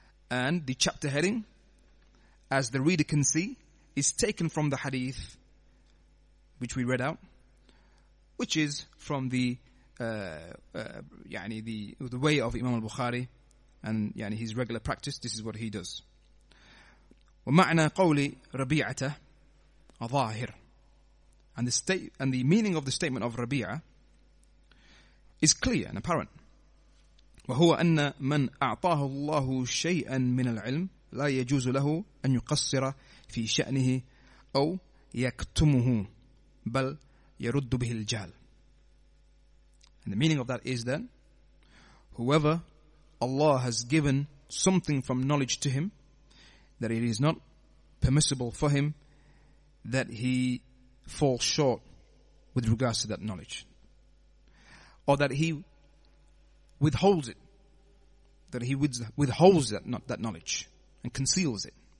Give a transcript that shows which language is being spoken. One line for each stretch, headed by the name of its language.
English: And the chapter heading, as the reader can see, is taken from the hadith which we read out, which is from the way of Imam al-Bukhari, and yani his regular practice, this is what he does.
Arabic: ومعنى قولي ربيعة ظاهر.
English: And the meaning of the statement of ربيعة is clear and apparent.
Arabic: وهو أن من أعطاه الله شيئا من العلم لا يجوز له أن يقصر في شأنه أو يكتمه بل يرد به الجهل.
English: And the meaning of that is that whoever Allah has given something from knowledge to him, that it is not permissible for him that he falls short with regards to that knowledge, or that he withholds it, that he withholds that knowledge and conceals it.